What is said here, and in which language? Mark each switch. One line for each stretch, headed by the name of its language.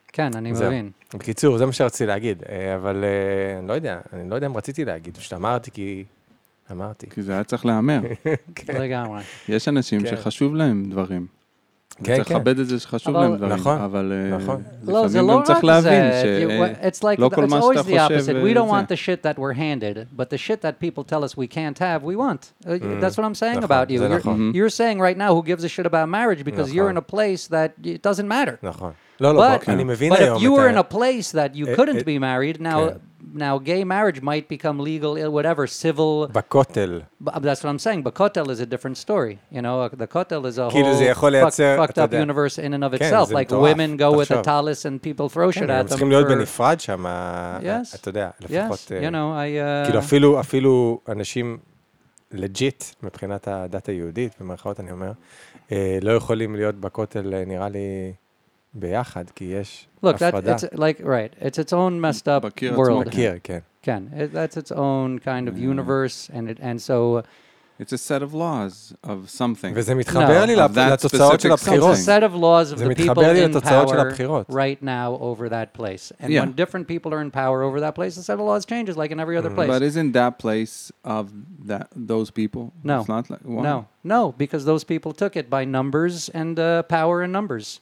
Hebrew: כן, אני מבין. בקיצור, זה מה שרציתי להגיד, אבל אני לא יודע, אני לא יודע אם רציתי להגיד, פשוט אמרתי כי... אמרתי. כי זה היה צריך להאמר. כן. לגמרי. יש אנשים שחשוב להם דברים. כן, צריך לכבד את זה שחשוב להם דברים. נכון. אבל לפעמים גם צריך להבין שלא כל מה שאתה חושב...
English: It's always the opposite. We don't want the shit that we're handed, but the shit that people tell us we can't have, we want. That's what I'm saying about you. You're saying right now who gives a shit about marriage because you're in a place that it doesn't matter.
Hebrew: נכון. לא, לא, אני מבין היום.
English: But if you were in a place that you couldn't be married, now now gay marriage might become legal, whatever, civil.
Hebrew: בכותל.
English: That's what I'm saying. בכותל is a different story. You know, the כותל is a whole fucked up universe in and of itself. Like women go with a talis and people throw shit at them.
Hebrew: הם צריכים להיות בנפרד שם.
English: Yes.
Hebrew: אתה יודע, לפחות.
English: Yes, you know, I...
Hebrew: כאילו אפילו אנשים legit מבחינת הדת היהודית, במרכאות אני אומר, לא יכולים להיות בכותל, נראה לי... ביחד, כי יש
English: look,
Hebrew: הפרדה.
English: That, it's, like, right. It's its own messed up
Hebrew: בקיר
English: world.
Hebrew: בקיר, כן. כן.
English: It, that's its own kind of universe. And, it, and so... It's a set of laws of something.
Hebrew: וזה מתחבר no, לי לתוצאות של הבחירות.
English: It's a set of laws of the people in power right now over that place. And yeah. when different people are in power over that place, a set of laws changes like in every other place. But isn't that place of that, those people? No. It's not like, no. No, because those people took it by numbers and power and numbers.